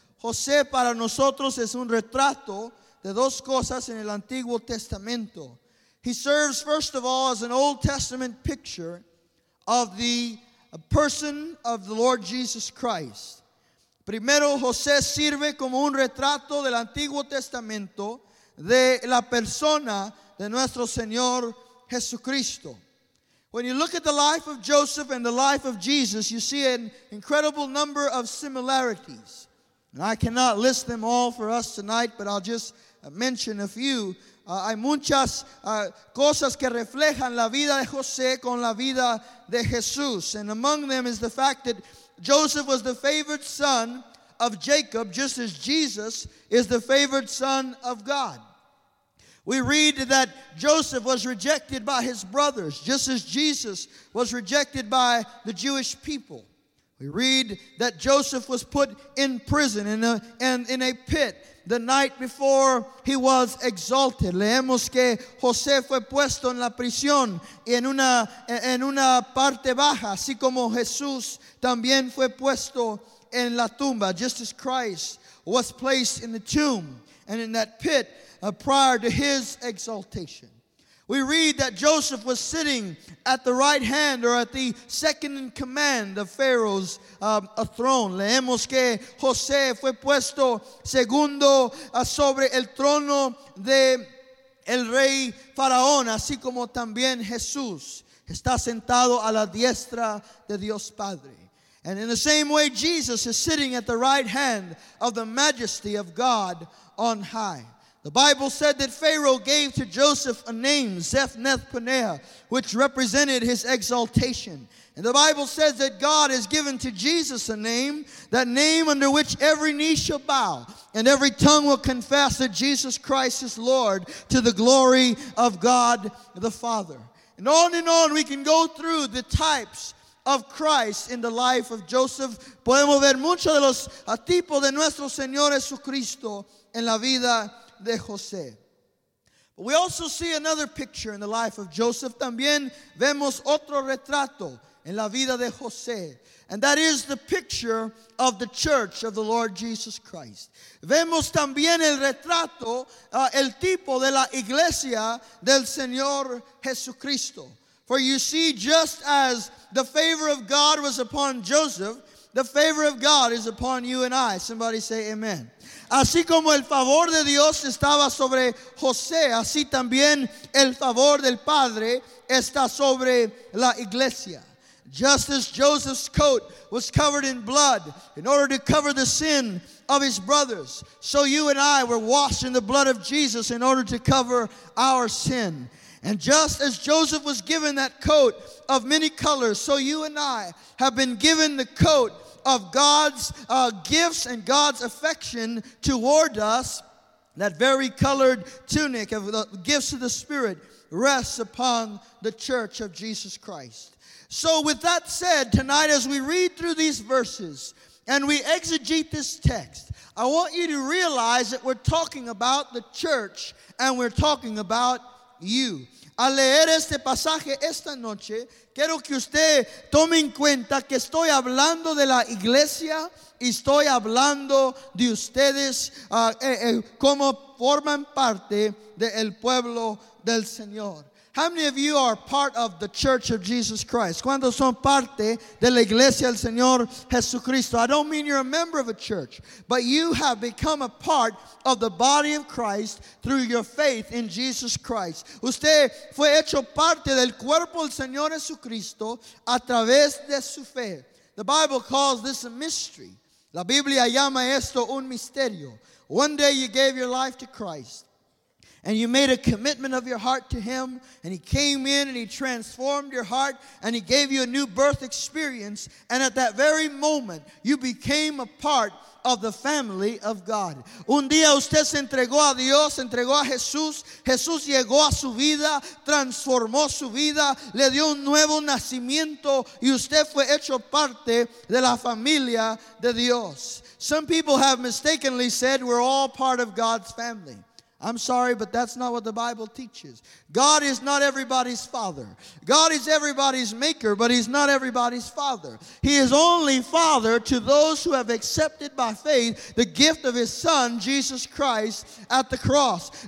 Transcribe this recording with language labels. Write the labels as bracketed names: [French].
[Spanish] José para nosotros es un retrato de dos cosas en el Antiguo Testamento. [English] He serves, first of all, as an Old Testament picture of the person of the Lord Jesus Christ. [Spanish] Primero, José sirve como un retrato del Antiguo Testamento de la persona de nuestro Señor Jesucristo. [English] When you look at the life of Joseph and the life of Jesus, you see an incredible number of similarities. And I cannot list them all for us tonight, but I'll just mention a few. [Spanish] Hay muchas cosas que reflejan la vida de José con la vida de Jesús. [English] And among them is the fact that Joseph was the favored son of Jacob, just as Jesus is the favored son of God. We read that Joseph was rejected by his brothers, just as Jesus was rejected by the Jewish people. We read that Joseph was put in prison in a pit the night before he was exalted. [Spanish] Leemos que José fue puesto en la prisión en una parte baja, así como Jesús también fue puesto en la tumba, [English] just as Christ was placed in the tomb and in that pit prior to his exaltation. We read that Joseph was sitting at the right hand or at the second in command of Pharaoh's throne. [Spanish] Leemos que José fue puesto segundo sobre el trono de el rey Faraón, así como también Jesús está sentado a la diestra de Dios Padre. [English] And in the same way, Jesus is sitting at the right hand of the majesty of God on high. The Bible said that Pharaoh gave to Joseph a name, Zephnath-Paneah, which represented his exaltation. And the Bible says that God has given to Jesus a name, that name under which every knee shall bow and every tongue will confess that Jesus Christ is Lord, to the glory of God the Father. And on we can go through the types of Christ in the life of Joseph. [Spanish] Podemos ver muchos de los tipos de nuestro Señor Jesucristo en la vida de José. [English] But we also see another picture in the life of Joseph. [Spanish] También vemos otro retrato en la vida de José. [English] And that is the picture of the church of the Lord Jesus Christ. [Spanish] Vemos también el retrato, el tipo de la iglesia del Señor Jesucristo. [English] For you see, just as the favor of God was upon Joseph, the favor of God is upon you and I. Somebody say amen. [Spanish] Así como el favor de Dios estaba sobre José, así también el favor del Padre está sobre la iglesia. [English] Just as Joseph's coat was covered in blood in order to cover the sin of his brothers, so you and I were washed in the blood of Jesus in order to cover our sin. And just as Joseph was given that coat of many colors, so you and I have been given the coat of God's gifts and God's affection toward us. That very colored tunic of the gifts of the Spirit rests upon the church of Jesus Christ. So with that said, tonight as we read through these verses and we exegete this text, I want you to realize that we're talking about the church and we're talking about you. [Spanish] Al leer este pasaje esta noche, quiero que usted tome en cuenta que estoy hablando de la iglesia y estoy hablando de ustedes como forman parte del pueblo del Señor. [English] How many of you are part of the Church of Jesus Christ? [Spanish] ¿Cuántos son parte de la iglesia del Señor Jesucristo? [English] I don't mean you're a member of a church, but you have become a part of the body of Christ through your faith in Jesus Christ. [Spanish] Usted fue hecho parte del cuerpo del Señor Jesucristo a través de su fe. [English] The Bible calls this a mystery. [Spanish] La Biblia llama esto un misterio. [English] One day you gave your life to Christ. And you made a commitment of your heart to him. And he came in and he transformed your heart. And he gave you a new birth experience. And at that very moment, you became a part of the family of God. [Spanish] Un día usted se entregó a Dios, entregó a Jesús. Jesús llegó a su vida, transformó su vida, le dio un nuevo nacimiento. Y usted fue hecho parte de la familia de Dios. [English] Some people have mistakenly said we're all part of God's family. I'm sorry, but that's not what the Bible teaches. God is not everybody's father. God is everybody's maker, but he's not everybody's father. He is only father to those who have accepted by faith the gift of his son, Jesus Christ, at the cross.